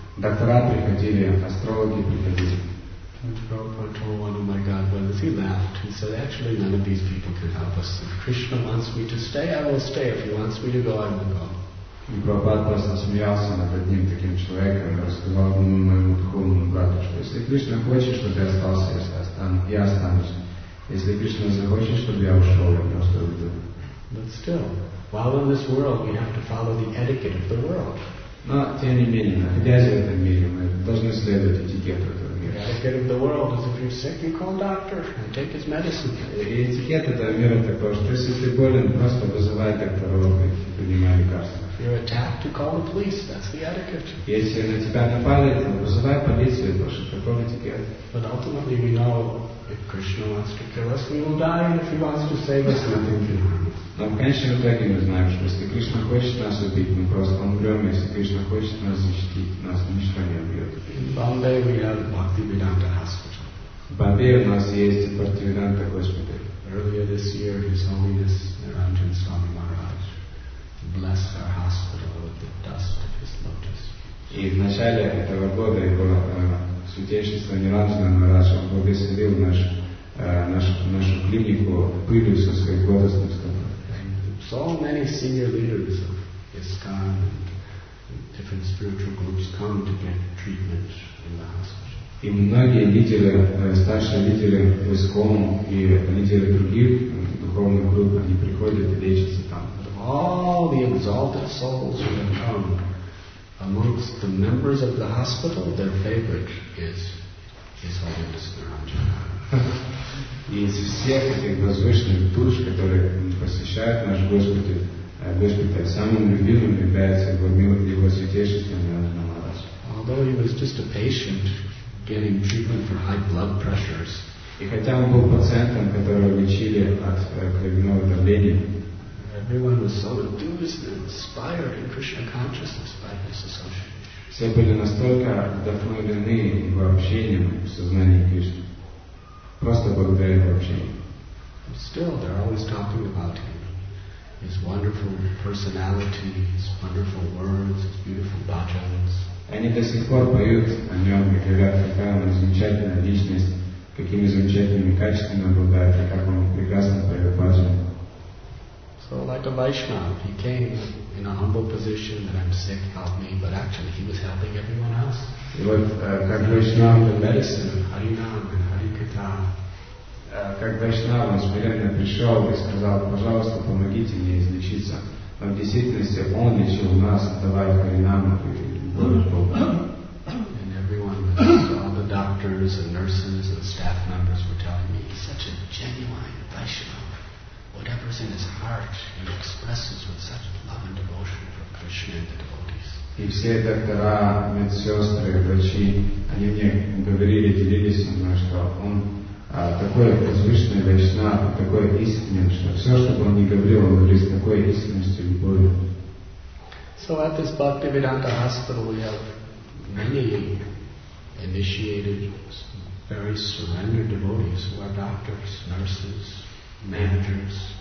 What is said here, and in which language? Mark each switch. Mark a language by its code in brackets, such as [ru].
[ru] Доктора приходили, астрологи приходили. [en] And Prabhupada told one of my godbrothers, he laughed. He said, "Actually, none of these people can help us. If Krishna wants me to stay, I will stay. If he wants me to go, I will go." [ru] И Прабхупад просто смеялся над одним таким человеком и рассказал ему, моему духовному брату, что если Кришна хочет, чтобы я остался, я останусь. Если Кришна захочет, чтобы я ушел, я просто уйду. [en] But still, while in this world, we have to follow the etiquette of the world. [ru] Но тем не менее, находясь в этом мире, мы должны следовать этикету этого мира. [en] The etiquette of the world is if you're sick, you call a doctor and take his medicine. [ru] И этикет этого мира такой, что если ты болен, просто вызывай докторов и принимай лекарства. [en] If you're attacked, you call the police. That's the etiquette. [ru] Если на тебя напали, то вызывай полицию, потому что такой этикет. [en] But ultimately, we know if Krishna wants to kill us, we will die, and if he wants to save us, nothing can happen. [ru] Но в конечном итоге мы знаем, что если Кришна хочет нас убить, мы просто умрем, если Кришна хочет нас защитить, нас ничто не убьет. [en] In Bombay we have Bhaktivedanta Hospital. [ru] В Бомбее у нас есть Бхактивиданта госпиталь. [en] Earlier this year, His Holiness Niranjan Swami Maharaj blessed our hospital with the dust of His lotus. [ru] И в начале этого года Его Святейшество Ниранджана Махарадж благословил нашу клинику пылью со своих лотосных стоп. [en] So many senior leaders of ISKCON and different spiritual groups come to get treatment in the hospital. [ru] И многие лидеры, старшие лидеры в ISKCON и лидеры других духовных групп, они приходят и лечатся там. [en] All the exalted souls who have come amongst the members of the hospital, their favorite is His Holiness Niranjan. [ru] И из всех этих возвышенных душ, которые посещают наш Господь, самым любимым является Его Святейшество Ниранджана Махарадж. [en] Although he was just a patient getting treatment for high blood pressures. [ru] И хотя он был пациентом, которого лечили от кровяного давления. [en] Everyone was so enthused and inspired in Krishna consciousness by this association. [ru] Все были настолько вдохновлены Его общением в сознании Кришны. Просто благодаря Его общению. [en] But still, they're always talking about him. His wonderful personality, his wonderful words, his beautiful bhajans. [ru] Они до сих пор поют о нем и говорят, какая он замечательная личность, какими замечательными качествами обладает, и как он прекрасно поет бхаджан. [en] So like a Vaishnava, he came in a humble position that I'm sick, help me, but actually he was helping everyone else. [ru] И вот как Вайшнава, [en] the medicine, Харинам and Харикатха. [ru] Как Вайшнава, он смиренно пришел и сказал, пожалуйста, помогите мне излечиться. Но в действительности он лечил нас, давая Харинаму и [en] And everyone, all the doctors and nurses and staff members were telling me, he's such a genuine Vaishnava. Whatever's in his heart, he expresses with such love and devotion for Krishna and the devotees. [ru] И все доктора, медсестры, врачи, они мне говорили, делились со мной, что он такой возвышенный Вайшнава, такой искренний, что все, что бы он ни говорил, он говорит с такой искренностью и любовью. [en] So at this Bhaktivedanta hospital we have many initiated, very surrendered devotees who are doctors, nurses, managers.